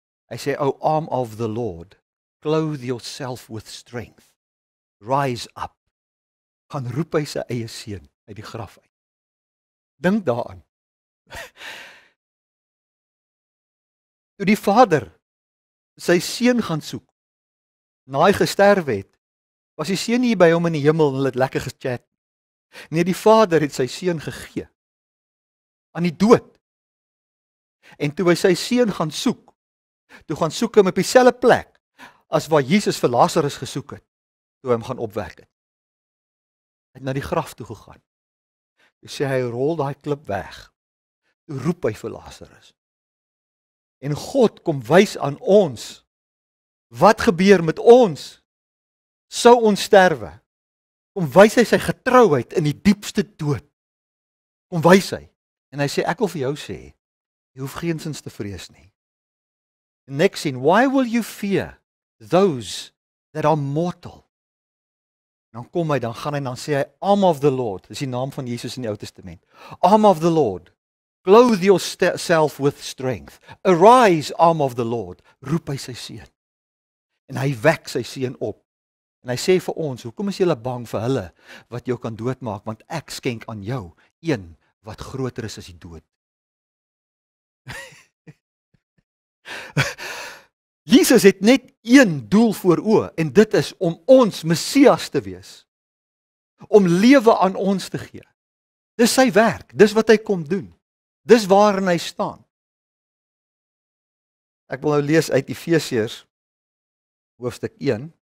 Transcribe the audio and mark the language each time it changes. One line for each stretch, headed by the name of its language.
Afrikaans: Hy sê,
English: O arm of the Lord, clothe yourself with strength. Rise up.
Afrikaans: Gaan roep hy sy eie seun uit die graf uit. Dink daaraan. Toe die vader sy seun gaan soek, na hy gesterf het, was die seun hier by hom in die hemel en hulle het lekker gechat. Nee, die vader het sy seun gegee aan die dood. En toe hy sy seun gaan soek, toe gaan soek hom op dieselfde plek as waar Jesus vir Lazarus gesoek het, toe hy hom gaan opwek het. Hy het na die graf toe gegaan. Toe sê hy, rol daai klip weg. Toe roep hy vir Lazarus. En God kom wys aan ons, wat gebeur met ons, sou ons sterwe. Kom wys hy sy getrouheid in die diepste dood. Kom wys hy. En hy sê, ek wil vir jou sê, jy hoef geensins te vrees nie.
English: Next scene, why will you fear those that are mortal?
Afrikaans: Dan kom hy, dan gaan hy, dan sê hy,
English: arm of the Lord,
Afrikaans: is die naam van Jesus in die Ou Testament, arm of the Lord, clothe yourself with strength, arise arm of the Lord, roep hy sy seun, en hy wek sy seun op, en hy sê vir ons, hoekom is julle bang vir hulle, wat jou kan doodmaak, want ek skenk aan jou, een wat groter is as die dood. Jesus het net een doel voor oë, en dit is om ons Messias te wees, om lewe aan ons te gee. Dis sy werk, dis wat hy kom doen, dis waarin hy staan. Ek wil nou lees uit Efesiërs hoofstuk 1.